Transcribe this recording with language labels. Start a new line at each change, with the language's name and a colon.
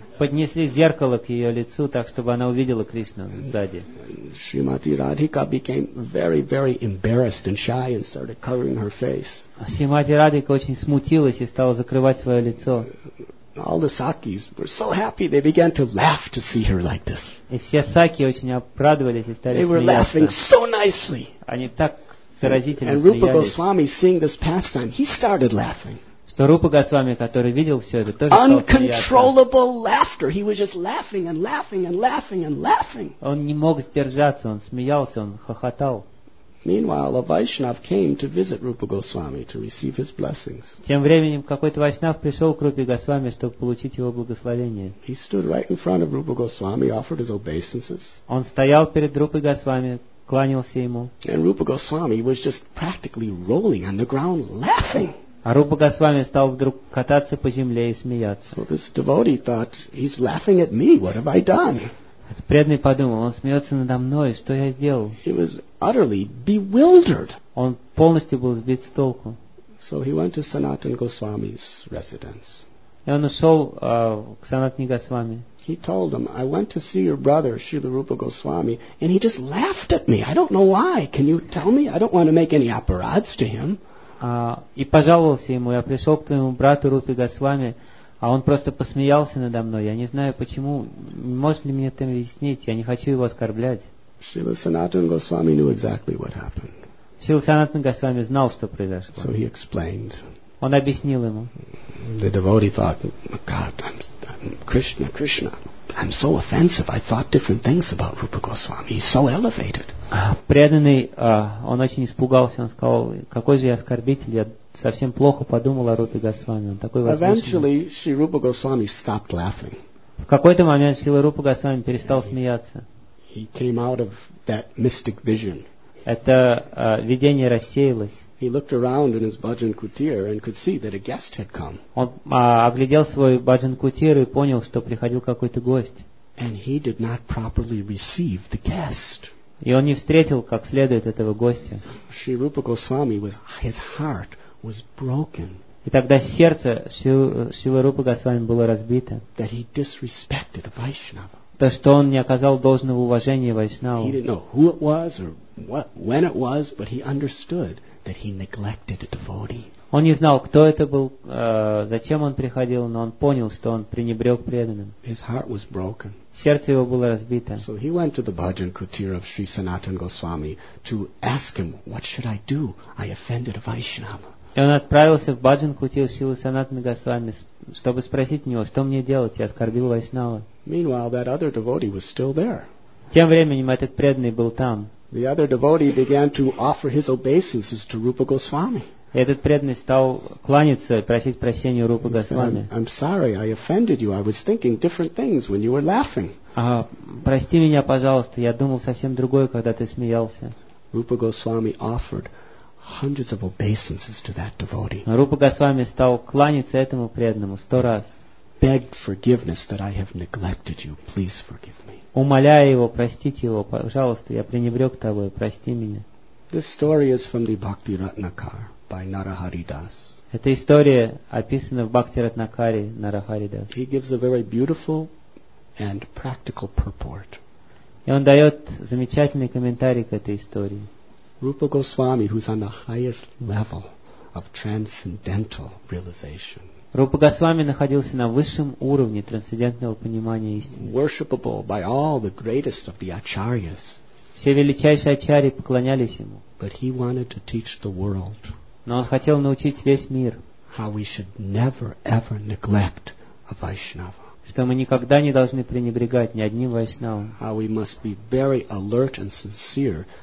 Russian: Поднесли зеркало к ее лицу, так чтобы она увидела Кришну сзади.
English: Shrimati Radhika became very, very embarrassed and shy and started covering her face.
Russian: Shrimati Radhika очень смутилась и стала закрывать свое лицо.
English: All the sakis were so happy they began to laugh to see her like this.
Russian: И все саки очень обрадовались и стали смеяться.
English: They were laughing so nicely.
Russian: Они так заразительно смеялись.
English: And Rupa Goswami, seeing this pastime, he started laughing.
Russian: Что Рупа Госвами, который видел все это, тоже
English: Uncontrollable laughter. He was just laughing and laughing and laughing and laughing.
Russian: Он не мог сдержаться, он смеялся, он хохотал.
English: Meanwhile, a Vaishnav came to visit Rupa Goswami to receive his blessings.
Russian: Тем временем какой-то Вайшнав пришел к Рупе Госвами, чтобы получить его благословение.
English: He stood right in front of Rupa Goswami, offered his obeisances.
Russian: Он стоял перед Рупой Госвами, кланялся ему.
English: And Rupa Goswami was just practically rolling on the ground, laughing.
Russian: А Рупа Госвами стал вдруг кататься по земле и смеяться.
English: So this devotee thought, he's laughing at me. What have I done?
Russian: Этот преданный подумал, он смеется надо мной, что я сделал?
English: He was utterly bewildered.
Russian: Он полностью был сбит с толку.
English: So he went to Sanatan Goswami's residence.
Russian: И он ушел к Санатане Госвами.
English: He told him, I went to see your brother, Srila Rupa Goswami, and he just laughed at me. I don't know why. Can you tell me? I don't want to make any apparads to him.
Russian: И пожаловался ему, я пришел к твоему брату Рупе Госвами, а он просто посмеялся надо мной. Я не знаю, почему. Можешь ли мне это объяснить? Я не хочу его оскорблять.
English: Srila Sanatan Goswami knew exactly what happened.
Russian: Srila Sanatan Goswami знал, что произошло.
English: So he explained.
Russian: Он объяснил ему.
English: The devotee thought, God, I'm Krishna. I'm so offensive. I thought different things about Rupa Goswami. He's so elevated.
Russian: Преданный, он очень испугался. Он сказал, какой же я оскорбитель. Я совсем плохо подумал о Рупе Госвами. Он такой возвышенный.
English: Eventually, Shri Rupa Goswami stopped laughing.
Russian: В какой-то момент Шрила Рупа Госвами перестал смеяться.
English: He came out of that mystic vision.
Russian: Это видение рассеялось.
English: He looked around in his Bhajan Kutir and could see that a guest had come.
Russian: Он оглядел свой Bhajan Kutir и понял, что приходил какой-то гость.
English: And he did not properly receive the guest.
Russian: И он не встретил как следует этого гостя.
English: Shri Rupa Goswami was, his heart was broken.
Russian: И тогда сердце Шрилы Рупы Госвами было разбито.
English: That he disrespected Vaishnava.
Russian: То, что он не оказал должного уважения Вайшнаву.
English: He didn't know who it was or what, when it was, but he understood that he neglected a devotee.
Russian: Он не знал, кто это был, зачем он приходил, но он понял, что он пренебрег преданным.
English: His heart was broken.
Russian: Сердце его было разбито.
English: So he went to the Bhajan Kutir of Sri Sanatana Goswami to ask him, what should I do? I offended Vaishnava.
Russian: И он отправился в Баджан Кутир Шрилы Санатана Госвами, чтобы спросить у него, что мне делать, я оскорбил Вайшнава.
English: Meanwhile, that other devotee was still there.
Russian: Тем временем этот преданный был там.
English: The other devotee began to offer his obeisances to Rupa Goswami.
Russian: Этот преданный стал кланяться и просить прощения у Рупы Госвами.
English: I'm sorry, I offended you. I was thinking different things when you were laughing.
Russian: Прости меня, пожалуйста, я думал совсем другое, когда ты смеялся.
English: Rupa Goswami offered hundreds of obeisances to that devotee.
Russian: Rupa Goswami стал кланяться этому преданному 100 раз.
English: Begged forgiveness that I have neglected you. Please forgive me.
Russian: Умоляя его, простите его, пожалуйста, я пренебрег тобой, прости меня.
English: This story is from the Bhakti Ratnakar by Narahari Das.
Russian: Эта история описана в Бхакти Ратнакаре Нарахари Дас.
English: He gives a very beautiful and practical purport.
Russian: И он дает замечательный комментарий к этой истории.
English: Rupa Goswami, who's on the highest level of transcendental realization.
Russian: Rupa Goswami находился на высшем уровне трансцендентного понимания истины.
English: Worshipable by all the greatest of the acharyas.
Russian: Все величайшие ачарьи поклонялись ему.
English: But he wanted to teach the world.
Russian: Но он хотел научить весь мир.
English: How we should never ever neglect a Vaishnava.
Russian: Что мы никогда не должны пренебрегать ни одним Вайшнавом.
English: How we must be very alert and sincere.